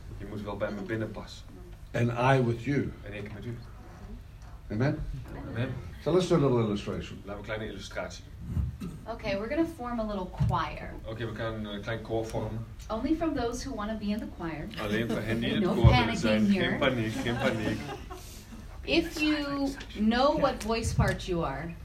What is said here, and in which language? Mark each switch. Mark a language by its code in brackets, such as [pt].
[nl] Je moet wel bij me binnenpassen. [en] And I with you. [nl] En ik met u. Amen. Amen. [en] So let's do a little illustration. [nl] Laten we een kleine illustratie. [en] Okay, we're going to form a little choir. Okay, we can a [nl] klein koor vormen. [en] Only from those who want to be in the choir. [nl] Alleen voor hen die in het koor willen zijn. Geen paniek, geen paniek. [en] If you know what voice part you are.